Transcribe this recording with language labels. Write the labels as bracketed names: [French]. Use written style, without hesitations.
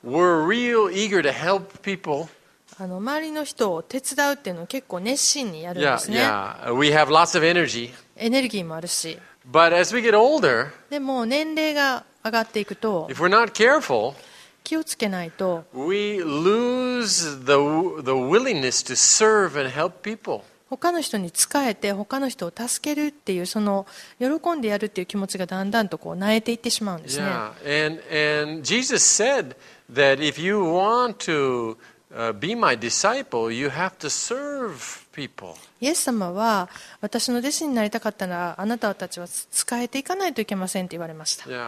[English] we're real eager to help people. [Japanese] 周りの人を手伝うっていうのを結構熱心にやるんですね。 [English] Yeah, we have lots of energy. [Japanese] エネルギーもあるし。 [English] But as we get older, [Japanese] でも年齢が上がっていくと、 [English] if we're not careful, [Japanese] 気をつけないと、 [English] we lose the willingness to serve and help people. [Japanese] 他の人に仕えて他の人を助けるっていうその喜んでやるっていう気持ちがだんだんとこう萎えていってしまうんですね。 [English] Yeah, and Jesus said that if you want to be my disciple, you have to serve. [Japanese] イエス様は私の弟子になりたかったならあなたたちは仕えていかないといけませんって言われました。